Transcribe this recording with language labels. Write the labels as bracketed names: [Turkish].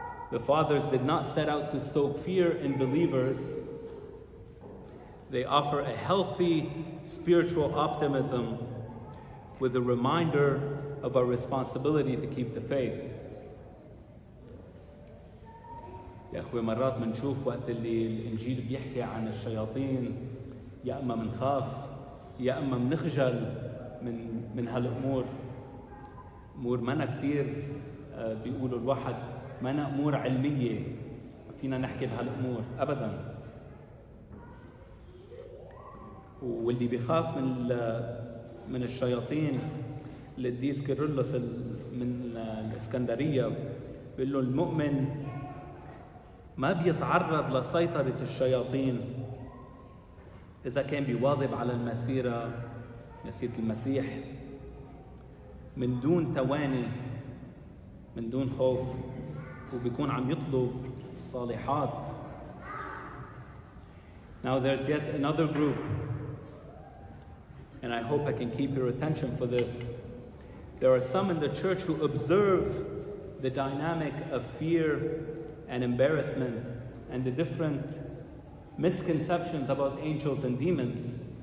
[English] The fathers did not set out to stoke fear in believers. They offer a healthy spiritual optimism with a reminder of our responsibility to keep the faith. [Arabic] يا اخوي مرات بنشوف وقت اللي الانجيل بيحكي عن الشياطين يا اما بنخاف يا اما بنخجل من هالامور. أمور منا كتير بيقولوا الواحد ما أنا أمور علمية فينا نحكي بهالأمور أبدا. واللي بيخاف من الشياطين القديس كيرلس من الإسكندرية بيقول له المؤمن ما بيتعرض لسيطرة الشياطين إذا كان بيواظب على المسيرة مسيرة المسيح من دون تواني من دون خوف وبيكون عم يطلب الصالحات. [English] Now there's yet another group and I hope I can keep your attention for this. There are some in the church who observe the dynamic of fear and embarrassment and the different misconceptions about angels and demons.